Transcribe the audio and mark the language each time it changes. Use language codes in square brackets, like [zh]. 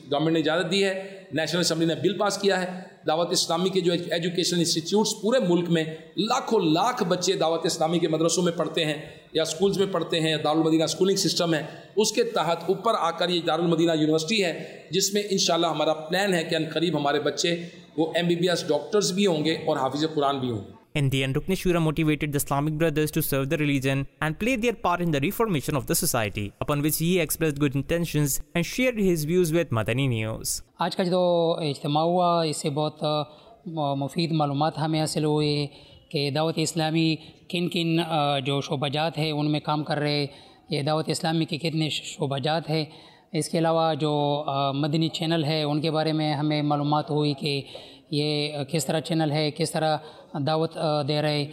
[ur] Government نے اجازت دی ہے، نیشنل اسمبلی نے بل پاس کیا ہے. دعوت اسلامی کے جو ایجوکیشن انسٹیٹیوٹس پورے ملک میں، لاکھوں لاکھ بچے دعوت اسلامی کے مدرسوں میں پڑھتے ہیں یا اسکولس میں پڑھتے ہیں، دارالمدینہ اسکولنگ سسٹم ہے، اس کے تحت اوپر آ کر یہ دارالمدینہ یونیورسٹی ہے، جس میں انشاءاللہ ہمارا پلان ہے کہ ان قریب ہمارے بچے وہ MBBS ڈاکٹرز بھی ہوں گے اور حافظ قرآن بھی ہوں گے. [en] In the end, Rukne Shura motivated the Islamic brothers to serve the religion and play their part in the reformation of the society, upon which he expressed good intentions and shared his views with Madani News. [ur] آج کا جو اجتماع ہوا، اس سے بہت مفید معلومات ہمیں حاصل ہوئے کہ دعوت اسلامی کن کن جو شعبہ جات ہیں ان میں کام کر رہے، یہ دعوت اسلامی کے کتنے شعبہ جات ہیں. اس کے علاوہ جو مدنی چینل ہے ان کے بارے میں ہمیں معلومات ہوئی کہ یہ کس طرح چینل ہے، کس طرح دعوت دے رہے.